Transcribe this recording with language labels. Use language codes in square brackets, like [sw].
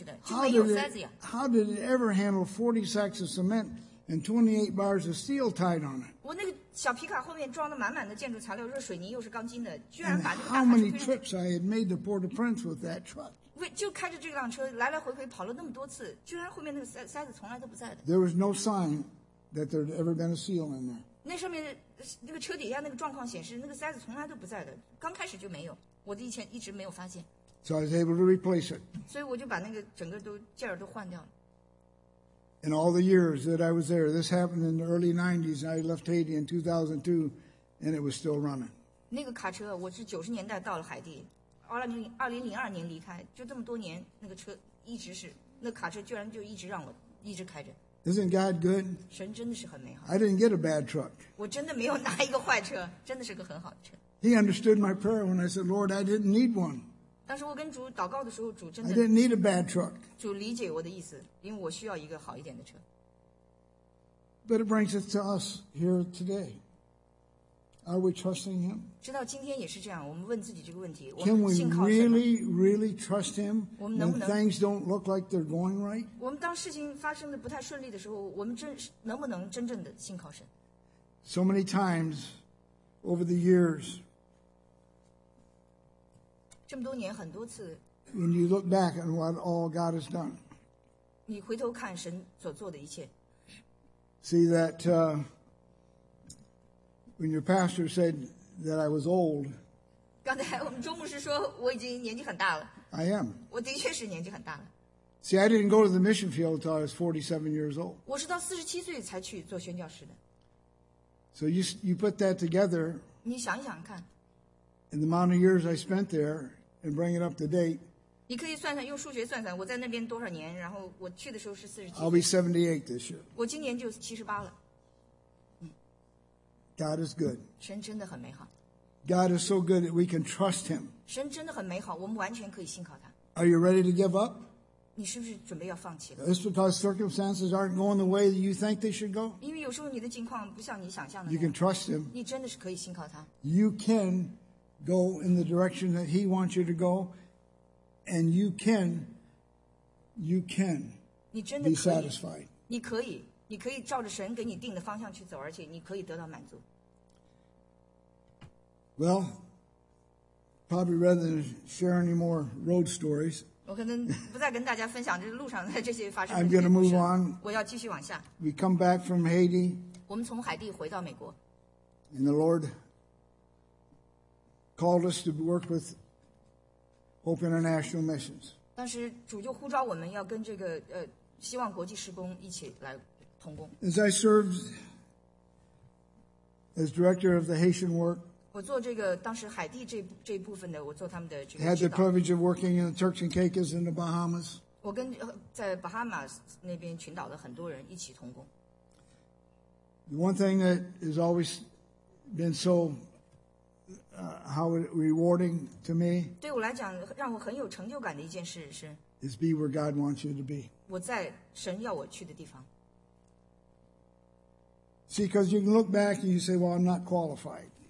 [en] How did it ever handle 40 sacks of cement? And 28 bars of steel tied on it. [zh] 我那个小皮卡后面装的满满的建筑材料，又是水泥又是钢筋的，居然把那个大卡车推。 [en] How many trips I had made to Port-au-Prince with that truck? [zh] 为就开着这辆车来来回回跑了那么多次，居然后面那个塞子从来都不在的。 [en] There was no sign that there had ever been a seal in there. [zh] 那上面那个车底下那个状况显示，那个塞子从来都不在的，刚开始就没有，我的以前一直没有发现。 [en] So I was able to replace it. [zh] 所以我就把那个整个都件儿都换掉了。 [en] In all the years that I was there, this happened in the early 90s. I left Haiti in 2002, and it was still running. [zh] 那个卡车，我是90年代到了海地，2002年离开，就这么多年，那个车一直是，那卡车居然就一直让我一直开着。 [en] Isn't God good? [zh] 神真的是很美好。 [en] I didn't get a bad truck. [zh] 我真的没有拿一个坏车，真的是个很好的车。 [en] He understood my prayer when I said, "Lord, I didn't need one." [zh] 当时我跟主祷告的时候，主真的。 [en] I didn't need a bad truck. [zh] 主理解我的意思，因为我需要一个好一点的车。 [en] But it brings it to us here today. Are we trusting him? [zh] 直到今天也是这样，我们问自己这个问题： [en] Can we really, really trust him? [zh] 我们能不能 [en] ？When things don't look like they're going right. [zh] 我们当事情发生的不太顺利的时候，我们能不能真正的信靠神 [en] ？So many times, over the years. [zh] 这么多年，很多次。 [en] When you look back at what all God has done. [zh] 你回头看神所做的一切。 [en] See that when your pastor said that I was old. [zh] 刚才我们周牧师说我已经年纪很大了。 [en] I am. [zh] 我的确是年纪很大了。 [en] See, I didn't go to the mission field until I was 47 years old. [zh] 我是到47岁才去做宣教士的。 [en] So you put that together. [zh] 你想一想看。 [en] And the amount of years I spent there, and bring it up to date. [zh] 你可以算算，用数学算算，我在那边多少年？然后我去的时候是四十七。 [en] I'll be 78 this year. [zh] 我今年就78了。 [en] God is good. [zh] 神真的很美好。 [en] God is so good that we can trust Him. [zh] 神真的很美好，我们完全可以信靠他。 [en] Are you ready to give up? [zh] 你是不是准备要放弃了？ [en] It's because circumstances aren't going the way that you think they should go. [zh] 因为有时候你的境况不像你想象的。 [en] You can trust Him. [zh] 你真的是可以信靠他。 [en] You can. Go in the direction that He wants you to go, and you can be satisfied. [zh] 你可以照着神给你定的方向去走，而且你可以得到满足。 [en] Well, probably rather than share any more road stories. [zh] 我可能不再跟大家分享这路上的这些发生。 [en] I'm going to move on. [zh] 我要继续往下。 [en] We come back from Haiti. [zh] 我们从海地回到美国。 [en] And the Lord called us to work with Hope International Missions. [zh] 但是主就呼召我们要跟这个希望国际事工一起来同工。 [en] As I served as director of the Haitian work, [zh] 我做这个当时海地这部分的，我做他们的这个。 [en] Had the privilege of working in the Turks and Caicos in the Bahamas. [zh] 我跟在 Bahamas 那边群岛的很多人一起同工。 [en] The one thing that has always been so how rewarding to me [zh] 对我来讲让我很有成就感的一件事是 [en] is be where God wants you to be [zh] 我在神要我去的地方 [en] See, because you can look back and you say, well, I'm not qualified